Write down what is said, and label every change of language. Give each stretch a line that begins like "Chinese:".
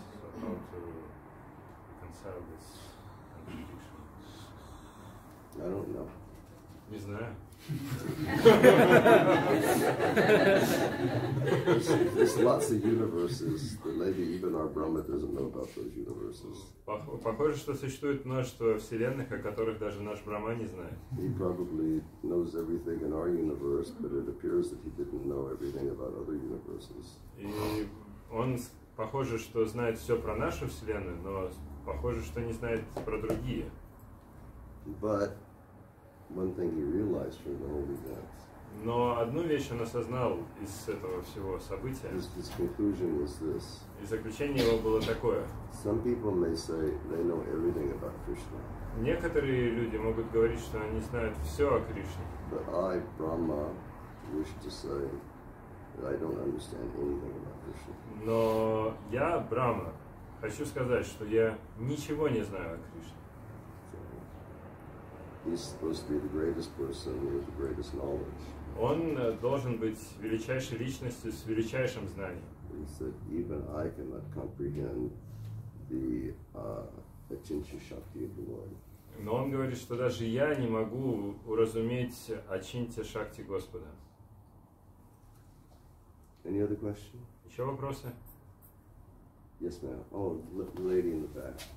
English: So how to reconcile this contradiction? I don't know.
Russian: Не знаю.
English: There's lots of universes, but maybe even our Brahma doesn't know about those universes.
Russian: Похоже, что существует множество вселенных, о которых даже наш Брахма не знает.
English: He probably knows everything in our universe, but it appears that he didn't know everything about other universes.
Russian: И он похоже, что знает все про нашу вселенную, но похоже, что не знает про другие.
English: But one thing he realized from the whole event.
Russian: Но одну вещь он осознал из этого всего события.
English: His conclusion was this.
Russian: И заключение его было такое.
English: Some people may say they know everything about Krishna.
Russian: Некоторые люди могут говорить, что они знают все о Кришне.
English: But I, Brahma, wish to say that I don't understand anything about Krishna.
Russian: Но я, Брахма, хочу сказать, что я ничего не знаю о Кришне.
English: He's supposed to be the greatest person with the greatest knowledge.
Russian: Он должен быть величайшей личностью с величайшим знанием.
English: He said, even I cannot comprehend the Achincha Shakti of the Lord.
Russian: Но он говорит, что даже я не могу уразуметь Ачинтья Шакти Господа.
English: Any other question?
Russian: Еще вопросы?
English: Yes, ma'am. Oh, lady in the back.